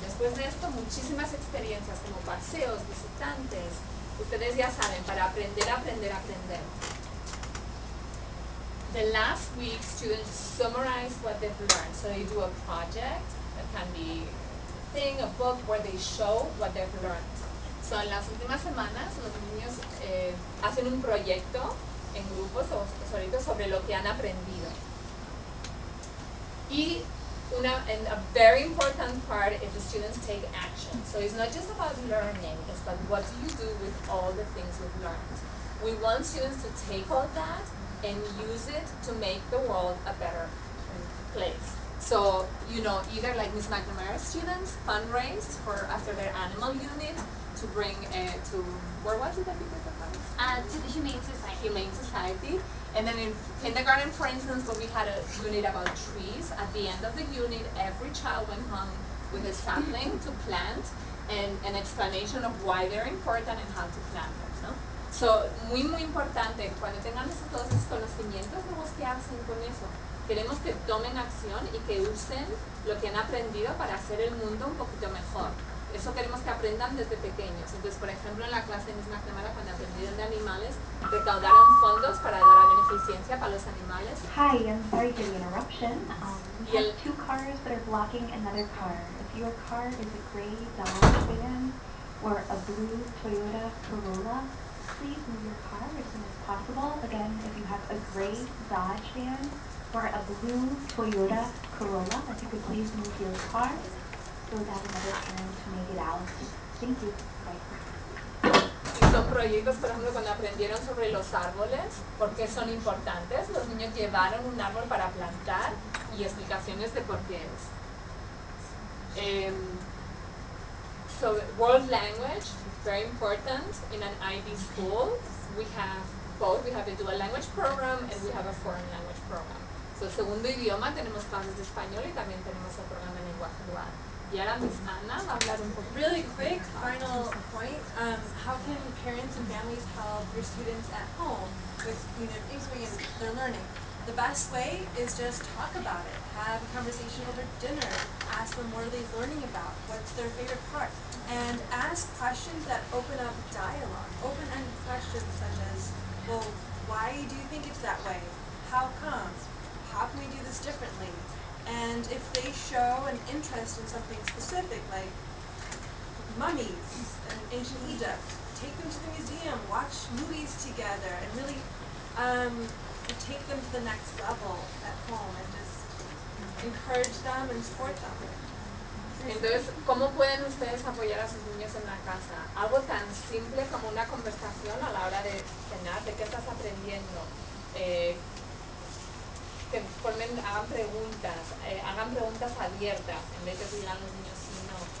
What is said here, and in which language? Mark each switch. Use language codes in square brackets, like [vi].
[es] Después de esto, muchísimas experiencias como paseos, visitantes. Ustedes ya saben, para aprender, aprender, aprender. [en] The last week, students summarize what they've learned. So they do a project, that can be a thing, a book, where they show what they've learned. [es] So en las últimas semanas, los niños hacen un proyecto en grupos o solitos sobre lo que han aprendido. Y una, [en] and a very important part is the students take action. So it's not just about learning, it's about what do you do with all the things you've learned. We want students to take all that and use it to make the world a better place. So, you know, either like Ms. McNamara students fundraised for after their animal unit to bring to, where was it that you put the funds? To the Humane Society. Humane Society. And then in kindergarten, for instance, when we had a unit about trees, at the end of the unit, every child went home with a sapling to plant and an explanation of why they're important and how to plant them. [es] So, muy muy importante, cuando tengan esos todos esos conocimientos, vemos qué hacen con eso. Queremos que tomen acción y que usen lo que han aprendido para hacer el mundo un poquito mejor. Eso queremos que aprendan desde pequeños. Entonces, por ejemplo, en la clase de Ms. McNamara, cuando aprendieron de animales, recaudaron fondos para dar a beneficencia para los animales. [en] Hi, I'm sorry for the interruption. We have two cars that are blocking another car. If your car is a gray Dodge van or a blue Toyota Corolla, please move your car as soon as possible. Again, if you have a gray Dodge van or a blue Toyota Corolla, if you could please move your car so that another parent can make it out. Thank you. Bye. [es] Y son proyectos, por ejemplo, cuando aprendieron sobre los árboles, por qué son importantes. Los niños llevaron un árbol para plantar y explicaciones de por qué es. [en] So, world language, very important in an IB school. We have both, we have a dual language program and we have a foreign language program. [es] So, segundo idioma, tenemos clases de español y también tenemos el programa de lenguaje dual. Y ahora Ms. Ana va a hablar un poco. [en] Really quick, final point. How can parents and families help your students at home with, you know, Univ IB and their learning? The best way is just talk about it. Have a conversation over dinner. Ask them what are they learning about. What's their favorite part? And ask questions that open up dialogue. Open-ended questions such as, well, why do you think it's that way? How come? How can we do this differently? And if they show an interest in something specific, like mummies in ancient Egypt, take them to the museum, watch movies together, and really, take them to the next level at home and just encourage them and support them. [es] Entonces, ¿cómo pueden ustedes apoyar a sus niños en la casa? Algo tan simple como una conversación a la hora de cenar, ¿de qué estás aprendiendo? Que formen, hagan preguntas abiertas, en vez de decirle a los niños, sí, no.